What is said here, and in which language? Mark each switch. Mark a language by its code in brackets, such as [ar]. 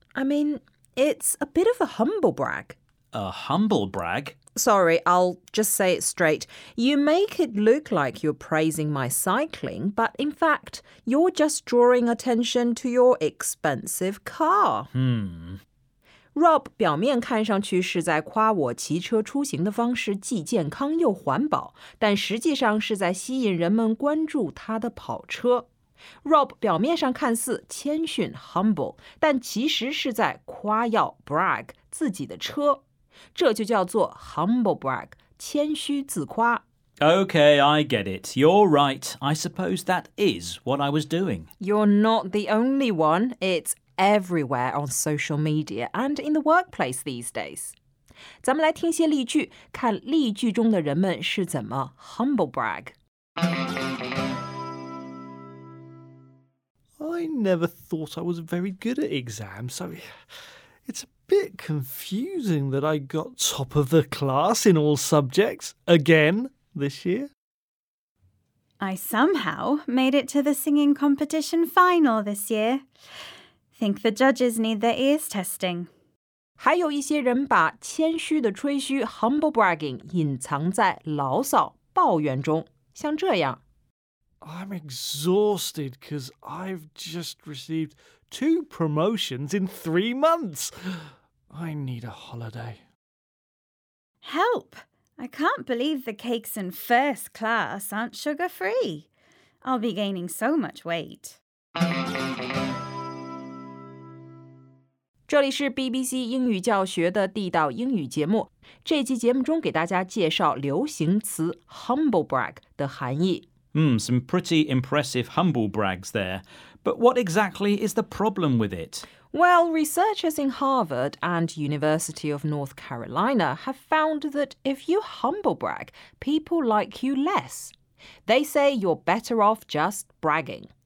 [en] I mean, it's a bit of a humble brag. A humble brag? Sorry, I'll just say it straight. You make it look like you're praising my cycling, but in fact, you're just drawing attention to your expensive car. [zh] Rob 表面看上去是在夸我骑车出行的方式既健康又环保，但实际上是在吸引人们关注他的跑车。 Rob 表面上看似谦逊 humble， 但其实是在夸耀 brag 自己的车，这就叫做 humble brag， 谦虚自夸。 [en] Okay, I get it. You're right. I suppose that is what I was doing. You're not the only one. It's everywhere on social media and in the workplace these days. [zh] 咱们来听些例句，看例句中的人们是怎么 humble brag。 [en] I never thought I was very good at exams, so it's a bit confusing that I got top of the class in all subjects again this year. I somehow made it to the singing competition final this year. Think the judges need their ears testing. [zh] 还有一些人把谦虚的吹嘘 humble bragging 隐藏在牢骚抱怨中，像这样。 [en] I'm exhausted because I've just received 2 promotions in 3 months. I need a holiday. Help! I can't believe the cakes in first class aren't sugar-free. I'll be gaining so much weight. [zh] 这里是 BBC 英语教学的地道英语节目。这期节目中给大家介绍流行词 humble brag 的含义。 [en] Some pretty impressive humble brags there. But what exactly is the problem with it? Well, researchers in Harvard and University of North Carolina have found that if you humble brag, people like you less. They say you're better off just bragging.